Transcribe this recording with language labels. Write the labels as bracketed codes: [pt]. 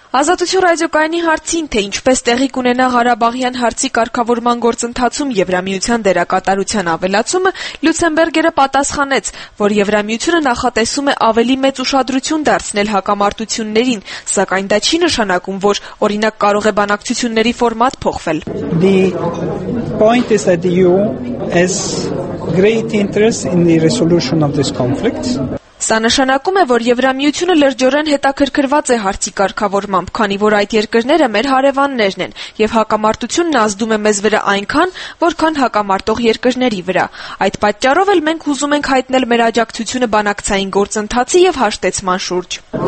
[hy] Ազատություն ռադիոկայանի հարցին, թե ինչպես տեղի կունենա Ղարաբաղյան հարցի կարգավորման գործընթացում Եվրամիության դերակատարության ավելացումը, Լյուքսեմբերգերը պատասխանեց, որ Եվրամիությունը նախատեսում է ավելի մեծ ուշադրություն դարձնել հակամարտություններին, սակայն դա չի նշանակում, որ օրինակ կարող է բանակցությունների ֆորմատ փոխվել։ [en] The point is that you has great interest in the resolution of this conflict. [hy] Սա նշանակում է, որ Եվրամիությունը լրջորեն հետաքրքրված է հարցի կարգավորմամբ, քանի որ այդ երկրները մեր հարևաններն են, և հակամարտությունն ազդում է մեզ վրա այնքան, որքան հակամարտող երկրների վրա։ Այդ պատճառով էլ մենք ուզում ենք հայտնել մեր աջակցությունը բանակցային գործընթացի և հաշտեցման շուրջ։